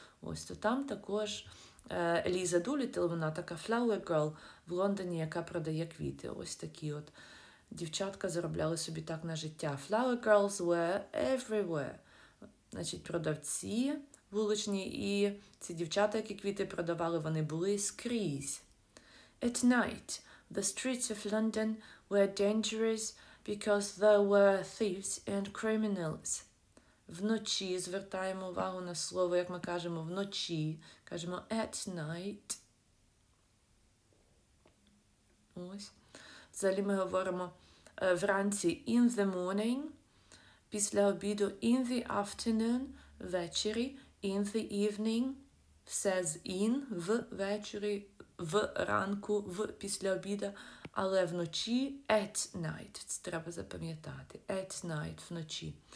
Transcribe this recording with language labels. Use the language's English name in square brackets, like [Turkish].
[Ukrainian] Ось, то там також Еліза Дулітл, вона така [English] flower girl [Ukrainian] в Лондоні, яка продає квіти, ось такі от. Дівчатка заробляли собі так на життя. [English] Flower girls were everywhere. [Ukrainian] Значить, продавці вуличні і ці дівчата, які квіти продавали, вони були скрізь. [English] At night, the streets of London were dangerous because there were thieves and criminals. [Ukrainian] Вночі, звертаємо увагу на слово, як ми кажемо, вночі. Кажемо [English] at night. [Ukrainian] Ось. Взагалі ми говоримо вранці [English] in the morning, [Ukrainian] після обіду [English] in the afternoon, [Ukrainian] ввечері, [English] in the evening, [Ukrainian] все з in, ввечері, в ранку, в після обіду, але вночі [English] at night, [Ukrainian] це треба запам'ятати, at night, вночі.